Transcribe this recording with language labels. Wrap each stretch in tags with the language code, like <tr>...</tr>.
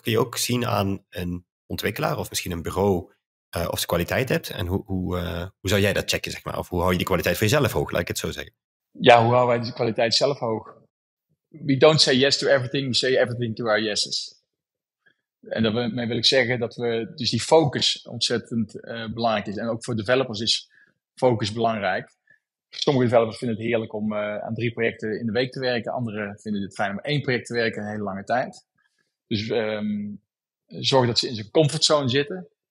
<nl>Kun je ook zien aan een ontwikkelaar of misschien een bureau of ze kwaliteit hebt? En hoe zou jij dat checken, zeg maar? Of hoe hou je die kwaliteit voor jezelf hoog, laat ik het zo zeggen? Ja, hoe houden wij die kwaliteit zelf hoog?</nl> <en>We don't say yes to everything, we say everything to our yeses.</en> <nl>En daarmee wil ik zeggen dat we dus die focus ontzettend belangrijk is. En ook voor developers is focus belangrijk. Sommige developers vinden het heerlijk om aan 3 projecten in de week te werken. Anderen vinden het fijn om 1 project te werken een hele lange tijd. Dus zorg dat ze in zijn comfortzone zitten.</nl>